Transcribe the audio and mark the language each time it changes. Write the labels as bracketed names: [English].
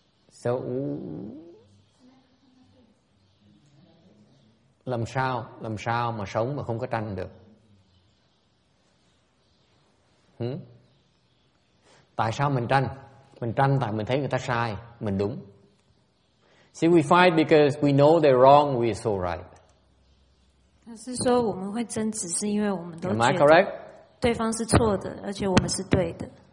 [Vietnamese] So, làm sao mà sống mà không có tranh được? Tại sao mình tranh? Mình tranh tại mình thấy người ta sai, mình đúng. [English] See, we fight because we know they're wrong, we're so right. [Chinese] 是说我们会争执是因为我们都觉得 [English] Am I correct? [Chinese] 对方是错的，而且我们是对的。